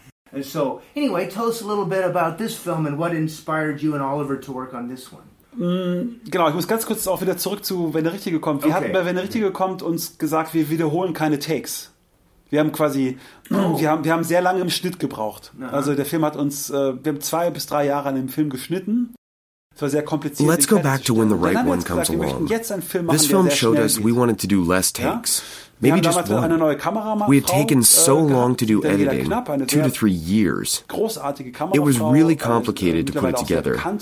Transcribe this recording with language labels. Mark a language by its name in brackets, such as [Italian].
[English] And so, anyway, tell us a little bit about this film and what inspired you and Oliver to work on this one. [German] Genau, ich muss ganz kurz auch wieder zurück zu Wenn der Richtige kommt. Wir hatten bei Wenn der Richtige kommt uns gesagt, wir wiederholen keine Takes. Wir haben quasi, wir haben sehr lange im Schnitt gebraucht. Also der Film hat uns, wir haben 2 bis 3 Jahre an dem Film geschnitten. Es war sehr kompliziert. [English] Let's go back to when the right one comes along. This film showed us we wanted to do less takes. Maybe just one. We had taken so long to do editing, 2 to 3 years. It was really complicated to put it together.